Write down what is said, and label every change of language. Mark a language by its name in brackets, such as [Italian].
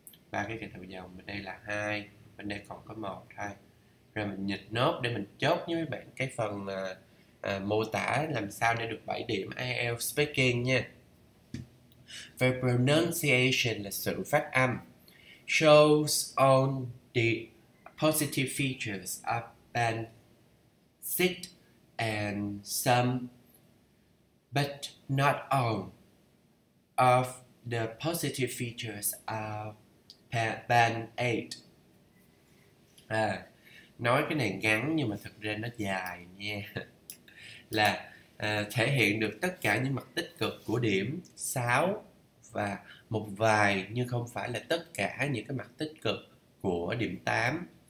[Vietnamese] Ba cái gạch đầu dòng, bên đây là hai, bên đây còn có một thôi. Rồi mình nhịch nốt để mình chốt với mấy bạn cái phần mô tả làm sao để được 7 điểm IELTS speaking nha. Về pronunciation là sự phát âm. [English] Shows on the positive features of Bansit and some but not all of the positive features of Band 8. [Vietnamese] Nói cái này ngắn nhưng mà thực ra nó dài nha. Là thể hiện được tất cả những mặt tích cực của điểm 6 và một vài nhưng không phải là tất cả những cái mặt tích cực của điểm 8.